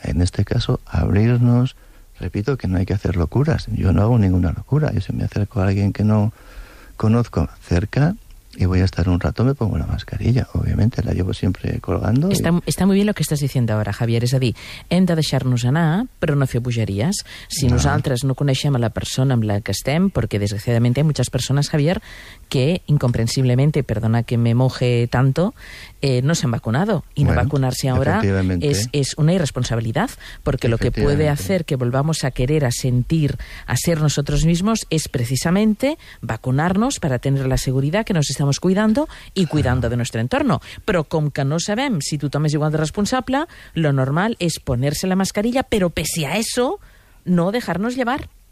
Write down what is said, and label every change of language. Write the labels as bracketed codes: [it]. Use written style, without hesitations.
[es] En este caso, abrirnos. Repito que no hay que hacer locuras. Yo no hago ninguna locura. Yo si me acerco a alguien que no conozco cerca y voy a estar un rato, me pongo la mascarilla. Obviamente, la llevo siempre colgando. Está muy bien lo que estás diciendo ahora, Javier. [ca] És a dir, hem de deixar-nos anar, però no fer bogeries. Si nosaltres no coneixem a la persona amb la que estem, perquè, desgraciadament, hi ha moltes persones, Javier, que, incomprensiblement, perdona que [es] me moje tanto, no se han vacunado. Y bueno, no vacunarse ahora es una irresponsabilidad, porque lo que puede hacer que volvamos a querer, a sentir, a ser nosotros mismos, es precisamente vacunarnos para tener la seguridad que nos estamos cuidando y cuidando de nuestro entorno. [ca] Però com que no sabem si tothom és igual de responsable, [es] lo normal es ponerse la mascarilla, pero pese a eso, no dejarnos llevar.